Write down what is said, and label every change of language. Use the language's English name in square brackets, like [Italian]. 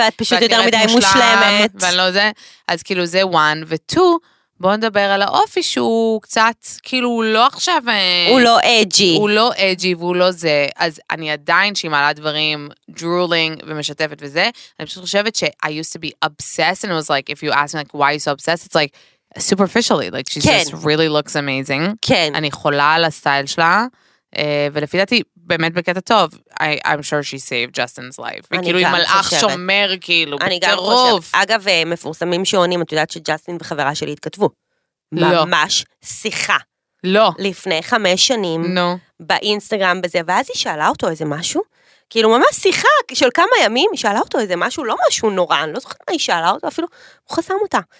[Hebrew] ואת פשוט יותר מדי מושלמת. ואני לא זה. אז כאילו זה one. ו-two, בואו נדבר על האופי שהוא קצת, כאילו הוא לא עכשיו... הוא לא edgy. הוא לא edgy והוא לא זה. אז אני עדיין שהיא מעלה דברים drooling ומשתפת וזה. אני פשוט חושבת ש- [English] I used to be obsessed. And it was like, if you ask me like, why are you so obsessed? It's like, superficially. Like, she just really looks amazing. [Hebrew] כן. אני חולה על הסטייל שלה. ולפי דעתי, באמת בקטע טוב, [English] I'm sure she saved Justin's life. [Hebrew] וכאילו, היא מלאך שומר, כאילו, בטירוף. אגב, מפורסמים שעונים, את יודעת שג'סטין וחברה שלי התכתבו. לא. ממש שיחה. לא. לפני 5 שנים. לא. באינסטגרם בזה, ואז היא שאלה אותו איזה משהו, כאילו, ממש שיחה של כמה ימים, היא שאלה אותו איזה משהו, לא משהו נורא, אני לא זוכרת מה היא שאלה אותו, אפילו הוא חסם אותה.